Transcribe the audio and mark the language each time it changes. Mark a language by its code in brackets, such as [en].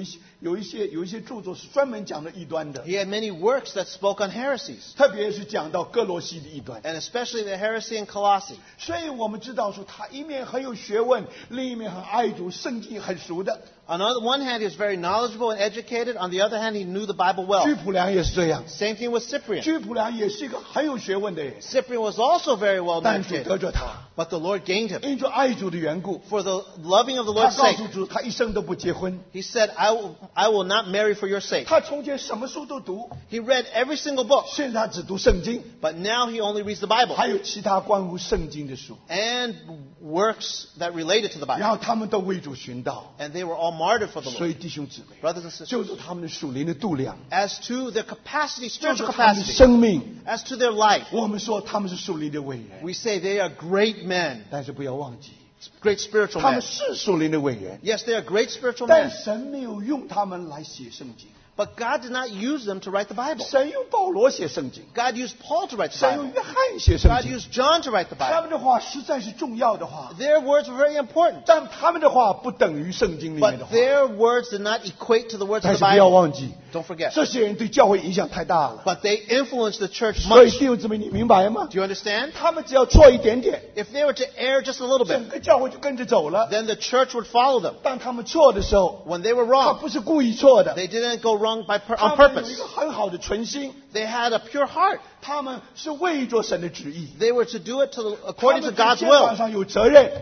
[zh] 那么他呢，也写了很多，他特别是关于异端，他有一些著作是专门讲的异端的。 [en] He had many works that spoke on heresies. [zh] 特别是讲到哥罗西的异端。 [en] And especially the heresy in Colossae. [zh] 所以我们知道说，他一面很有学问，另一面很爱读圣经，很熟的。 [en] On the one hand, he was very knowledgeable and educated. On the other hand, he knew the Bible well. Same thing with Cyprian. Cyprian was also very well educated. But the Lord gained him. For the loving of the Lord's sake. He said, I will not marry for your sake. He read every single book. But now he only reads the Bible. And works that related to the Bible. And they were all martyred for the Lord. [zh] 所以弟兄姊妹, [en] brothers and sisters, [zh] 就是他们的属灵的度量, [en] as to their capacity, spiritual capacity, [zh] 就是他们的生命, [en] as to their life, [zh] 我们说他们是属灵的伟人, [en] we say they are great men. [zh] 但是不要忘记, [en] great spiritual men. [zh] 他们是属灵的伟人, [en] yes, they are great spiritual men. [zh] 但神没有用他们来写圣经。 [en] But God did not use them to write the Bible. [zh] 神用保罗写圣经, [en] God used Paul to write the Bible. [zh] 神用约翰写圣经, [en] God used John to write the Bible. [zh] 他们的话实在是重要的话, [en] their words were very important. [zh] 但他们的话不等于圣经里面的话, [en] but their words did not equate to the words [zh] 但是不要忘记, [en] of the Bible. Don't forget. [zh] 这些人对教会影响太大了, [en] but they influenced the church much. [zh] 所以弟兄姊妹你明白吗? [en] Do you understand? [zh] 他们只要错一点点, [en] if they were to err just a little bit, [zh] 整个教会就跟着走了, [en] then the church would follow them. [zh] 当他们错的时候, [en] when they were wrong, [zh] 他不是故意错的, [en] they didn't go wrong. On purpose. They had a pure heart. They were to do it to the, according to God's will.